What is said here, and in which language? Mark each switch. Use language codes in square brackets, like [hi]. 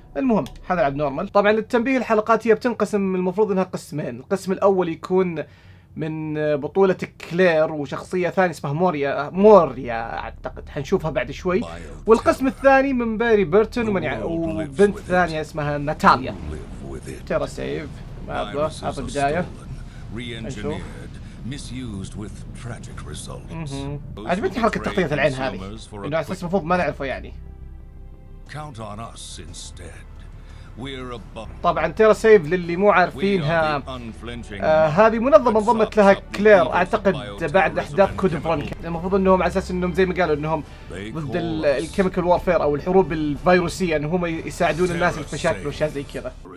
[ar] المهم هذا العب نورمال. طبعا للتنبيه الحلقات هي بتنقسم، المفروض انها قسمين. القسم الاول يكون من بطولة كلير وشخصية ثانية اسمها موريا اعتقد حنشوفها بعد شوي، والقسم الثاني من باري بيرتون وبنت ثانية اسمها ناتاليا. تيرا سيف هذا بداية نشوف. [en] Misused with tragic results. [ar] عجبتني حركة تغطية العين هذه، انه اساس المفروض ما نعرفه يعني. [en] Count on us instead. We're above. [ar] طبعا تيرا سيف للي مو عارفينها هذه منظمة انضمت لها كلير اعتقد بعد احداث كود فرونكا. المفروض انهم على اساس انهم زي ما قالوا انهم ضد الكيميكال وارفير او الحروب الفيروسية، ان هم يساعدون الناس في مشاكل وشيء زي كذا.